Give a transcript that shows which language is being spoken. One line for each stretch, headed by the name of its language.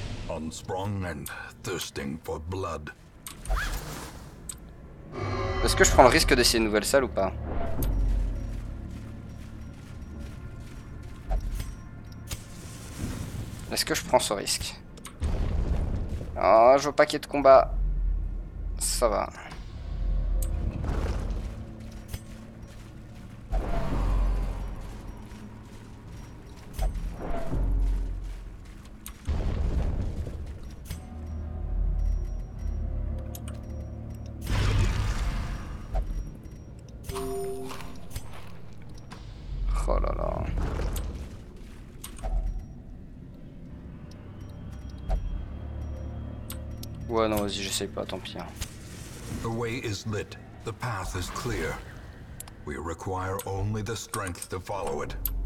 English: Unsprung and thirsting for blood.
French: Est-ce que je prends le risque d'essayer une nouvelle salle ou pas? Est-ce que je prends ce risque? Oh, je veux pas qu'il y ait de combat. Ça va. Ouais non vas-y j'essaye pas tant pis.
English: The way is lit, the path is clear. We require only the strength to follow it.